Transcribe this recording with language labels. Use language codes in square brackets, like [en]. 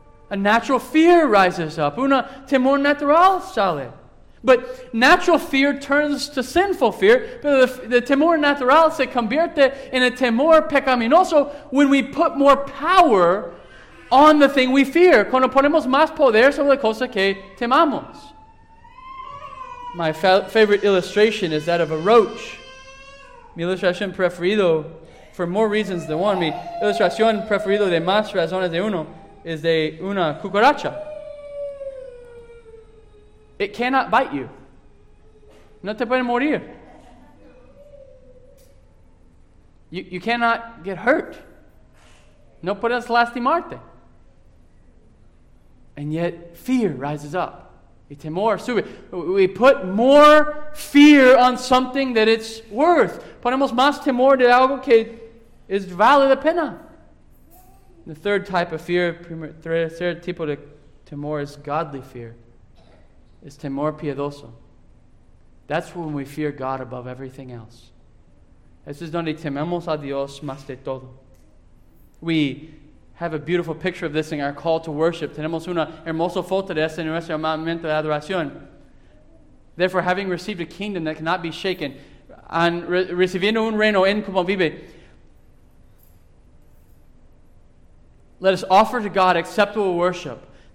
[en] A natural fear rises up. [es] Una temor natural sale. [en] But natural fear turns to sinful fear. But the [es] temor natural se convierte en a temor pecaminoso [en] when we put more power on the thing we fear. [es] Cuando ponemos más poder sobre la cosa que temamos. [en] My favorite illustration is that of a roach. [es] Mi ilustración preferido, [en] for more reasons than one, [es] mi ilustración preferido de más razones de uno, is de una cucaracha. [en] It cannot bite you. [es] No te puede morir. [en] You cannot get hurt. [es] No puedes lastimarte. [en] And yet, fear rises up. [es] Y temor sube. [en] We put more fear on something that it's worth. [es] Ponemos más temor de algo que es vale la pena. [en] The third type of fear, [es] tercer tipo de temor, [en] is godly fear. Is [es] temor piadoso. [en] That's when we fear God above everything else. [es] Eso es donde tememos a Dios más de todo. [en] We have a beautiful picture of this in our call to worship. [es] Tenemos una hermosa foto de esto en nuestro momento de adoración. [en] Therefore, having received a kingdom that cannot be shaken, and [es] recibiendo un reino incorruptible, [en] let us offer to God acceptable worship.